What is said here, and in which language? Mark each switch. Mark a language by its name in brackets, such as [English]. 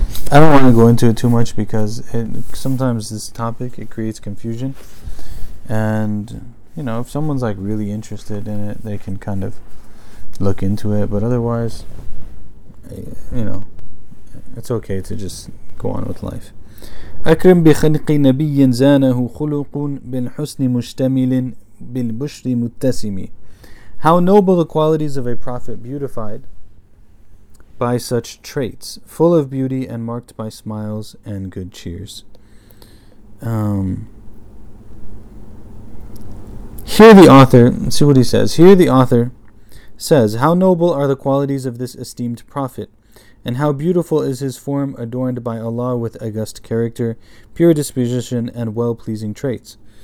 [English] I don't want to go into it too much because sometimes this topic, it creates confusion. And, you know, if someone's, like, really interested in it, they can kind of look into it. But otherwise, you know, it's okay to just go on with life. [Arabic] أكرم بخلق نبي زانه خلق بالحسن مشتمل بالبشر متسم. [English] How noble the qualities of a prophet beautified by such traits, full of beauty and marked by smiles and good cheers. Here the author, see what he says. Here the author says, how noble are the qualities of this esteemed prophet, and how beautiful is his form, adorned by Allah with august character, pure disposition, and well-pleasing traits.